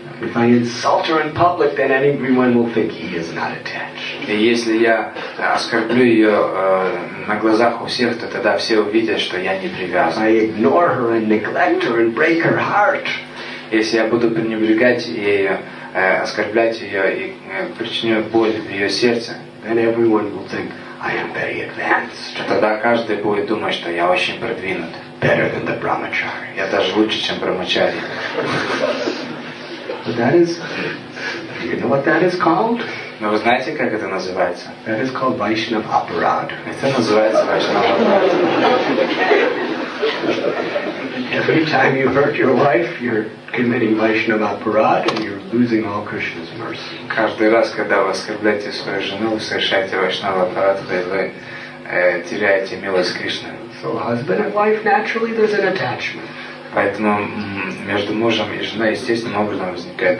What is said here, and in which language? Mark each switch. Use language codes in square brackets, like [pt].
[en] If I insult her in public, then everyone will think he is not attached. [ru] И если я оскорблю ее на глазах у всех, то тогда все увидят, что я не привязан. [en] I ignore her and neglect her and break her heart. [ru] Если я буду пренебрегать ее, оскорблять ее и причиню боль в ее сердце, [en] then everyone will think I am very advanced. [ru] Тогда каждый будет думать, что я очень продвинут. [en] Better than the brahmachari. [ru] Я даже лучше, чем брахмачари. [en] But that is, you know what that is called? [ru] Но вы знаете, как это называется? [en] That is called Vaishnava Aparad. [ru] Это называется Vaishnava Aparad. [en] Every time you hurt your wife, you're committing Vaishnava Aparad and you're losing all Krishna's mercy. [ru] Каждый раз, когда вы оскорбляете свою жену, вы совершаете Vaishnava Aparad, вы теряете милость Кришны. [en] So husband and wife, naturally, there's an attachment. [ru] Поэтому между мужем и женой естественным образом возникает